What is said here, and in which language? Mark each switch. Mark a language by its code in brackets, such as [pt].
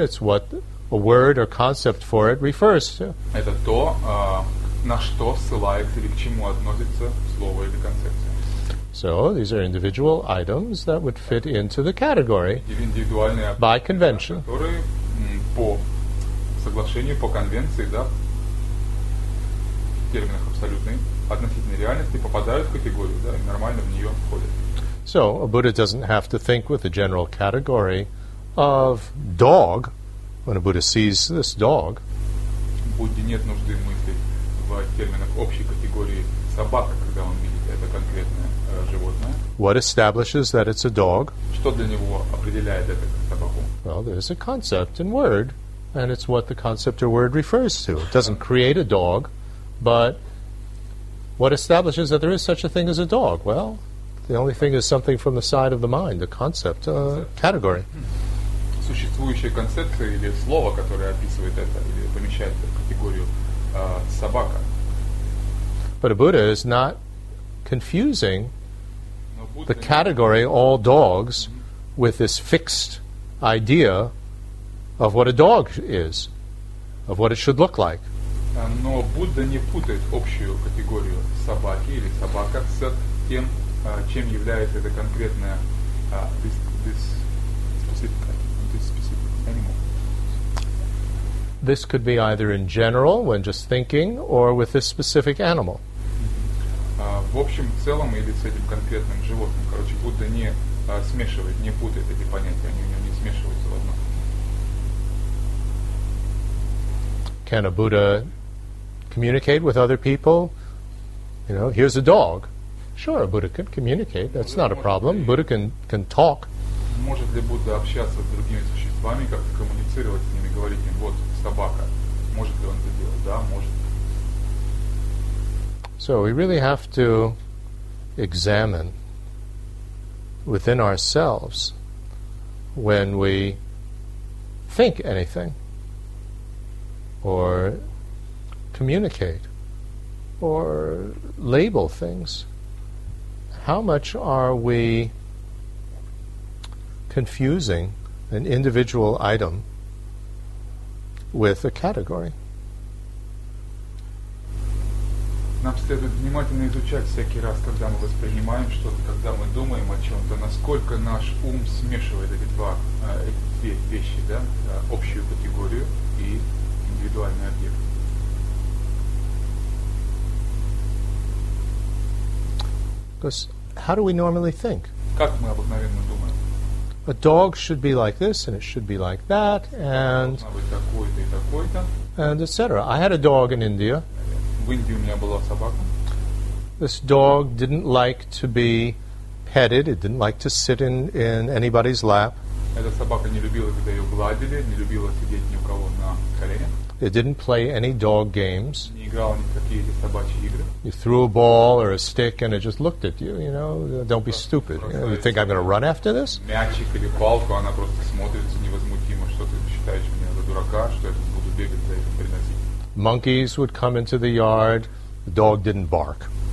[en] It's what a word or concept for it refers to. [ru] Это то, на что ссылается или к чему относится слово или концепция. [en] So these are individual items that would fit into the category [ru] индивидуальные объекты, [en] by convention. [ru] Которые по соглашению, по конвенции, да, в терминах абсолютной. Относительной реальности попадают в категорию, да, и нормально в нее входят. [en] So, a Buddha doesn't have to think with a general category of dog when a Buddha sees this dog. [ru] Будде нет нужды мыслить в терминах общей категории собака, когда он видит это конкретное животное. [en] What establishes that it's a dog? [ru] Что для него определяет это как собаку? [en] Well, there's a concept and word, and it's what the concept or word refers to. It doesn't create a dog, but what establishes that there is such a thing as a dog? Well, the only thing is something from the side of the mind, a concept, a category. [ru] Существующая концепция или слово, которое описывает это или помещает в категорию собака. [en] But a Buddha is not confusing the category all dogs with this fixed idea of what a dog is, of what it should look like. [ru] Но Будда не путает общую категорию собаки или собака с тем, чем является это конкретное [en] this specific animal. This could be either in general, when just thinking, or with this specific animal. [ru] В общем, в целом, или с этим конкретным животным. Короче, Будда не смешивает, не путает эти понятия, они у него не смешиваются в одно. [en] Can a Buddha communicate with other people? You know, here's a dog. Sure, a Buddha can communicate. That's not a problem. Buddha can talk. [ru] Может ли Будда общаться с другими существами, как-то коммуницировать с ними, говорить им, вот собака. Может ли он это делать? Да, может. [en] So we really have to examine within ourselves when we think anything or communicate or label things, how much are we confusing an individual item with a category. [ru] Нам следует внимательно изучать всякий раз, когда мы воспринимаем что-то, когда мы думаем о чем-то, насколько наш ум смешивает эти две вещи, да, общую категорию и индивидуальный объект. [en] Because how do we normally think? [ru] Как мы обыкновенно думаем? [en] A dog should be like this, and it should be like that, and [ru] должна быть такой-то и такой-то. [en] And etc. I had a dog in India. [ru] В Индии у меня была собака. [en] This dog didn't like to be petted. It didn't like to sit in anybody's lap. [ru] Эта собака не любила, когда ее гладили, не любила сидеть ни у кого на коленях. [en] It didn't play any dog games. [ru] Не играла ни в какие эти собачьи игры. [en] You threw a ball or a stick, and it just looked at you. You know, don't be stupid. You think I'm going to run after this? [ru] Мячик или палку, она просто смотрится невозмутимо, что ты считаешь меня за дурака, что я буду бегать за этим приносить. [en] Monkeys would come into the yard, the dog didn't bark.